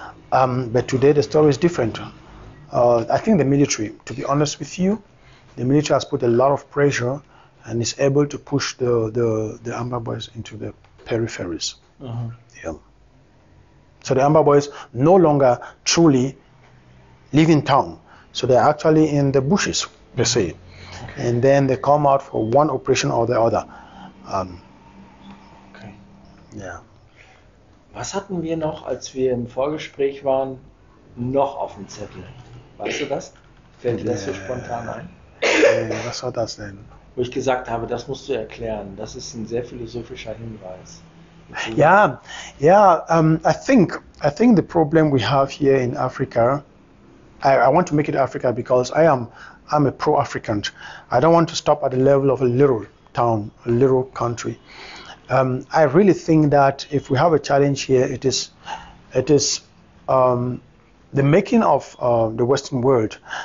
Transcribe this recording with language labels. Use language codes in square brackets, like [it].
[en] But today the story is different. I think the military, to be honest with you, the military has put a lot of pressure and is able to push the Amba boys into the peripheries. Uh-huh. Yeah. So the Amba boys no longer truly live in town. So they're actually in the bushes, per se. Okay. And then they come out for one operation or the other. Okay. Yeah. [de] Was hatten wir noch, als wir im Vorgespräch waren, noch auf dem Zettel? Weißt du das? Fällt dir das so spontan ein? Was war das denn? Wo ich gesagt habe, das musst du erklären. Das ist ein sehr philosophischer Hinweis. [en] I think the problem we have here in Africa, I want to make it Africa because I'm a pro-African. I don't want to stop at the level of a little town, a little country. I really think that if we have a challenge here, it is the making of the Western world.